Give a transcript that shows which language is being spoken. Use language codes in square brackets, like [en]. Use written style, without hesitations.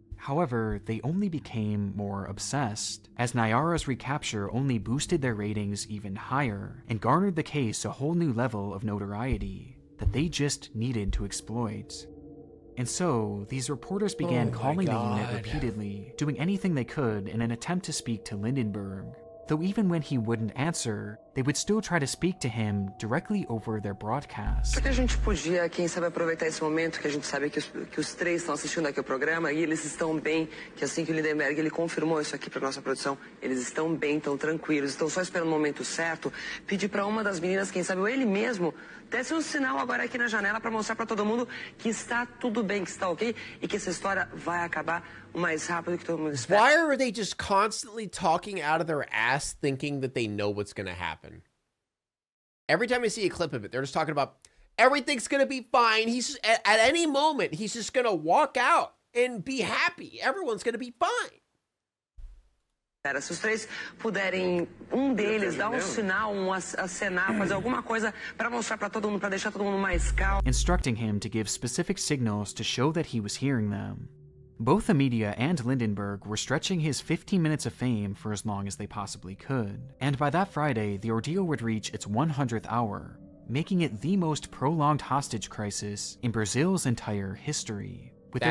[en] However, they only became more obsessed, as Nayara's recapture only boosted their ratings even higher and garnered the case a whole new level of notoriety that they just needed to exploit. And so, these reporters began calling the unit repeatedly, doing anything they could in an attempt to speak to Lindenberg. Though even when he wouldn't answer, they would still try to speak to him directly over their broadcast. [pt] Porque a gente podia, quem sabe, aproveitar esse momento que a gente sabe que os três estão assistindo aqui o programa e eles estão bem, que assim que o Lindenberg ele confirmou isso aqui para nossa produção, eles estão bem, estão tranquilos, estão só esperando o momento certo, pedir para uma das meninas, quem sabe, ou ele mesmo, desse um sinal agora aqui na janela para mostrar para todo mundo que está tudo bem, que está ok e que essa história vai acabar. [en] Why are they just constantly talking out of their ass thinking that they know what's going to happen? Every time I see a clip of it, they're just talking about everything's going to be fine. He's at any moment, he's just going to walk out and be happy. Everyone's going to be fine. [pt] Cara, se os três puderem, um deles, dar um sinal, um acenar, fazer alguma coisa pra mostrar pra todo mundo, pra deixar todo mundo mais calmo. [en] Instructing him to give specific signals to show that he was hearing them. Both the media and Lindenberg were stretching his 15 minutes of fame for as long as they possibly could. And by that Friday, the ordeal would reach its 100th hour, making it the most prolonged hostage crisis in Brazil's entire history, with